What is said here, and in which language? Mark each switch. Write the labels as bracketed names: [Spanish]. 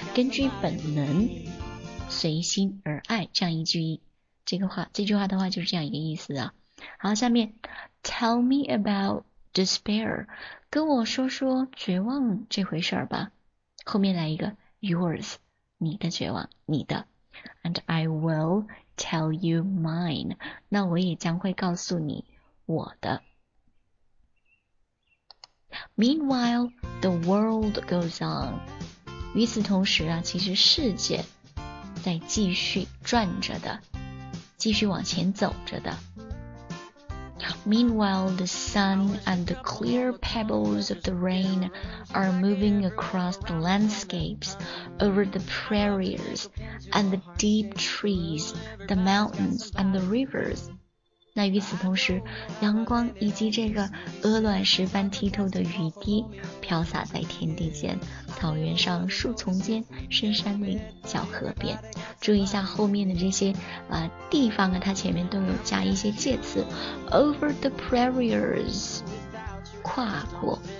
[Chinese] 根据本能，随心而爱，这样一句这个话，这句话的话就是这样一个意思啊。好，下面 [English] Tell me about despair， [Chinese] 跟我说说绝望这回事儿吧。后面来一个 yours， 你的绝望，你的。 [English] And I will tell you mine， [Chinese] 那我也将会告诉你我的。 [English] Meanwhile the world goes on， [Chinese] 与此同时啊，其实世界在继续转着的，继续往前走着的。 [English] Meanwhile the sun and the clear pebbles of the rain are moving across the landscapes over the prairies and the deep trees, the mountains and the rivers。 [Chinese] 那与此同时，阳光以及这个鹅卵石般剔透的雨滴飘洒在天地间，草原上，树丛间，深山里，小河边。注意一下后面的这些地方啊，它前面都有加一些介词 [English] over the prairies， [Chinese] 跨过。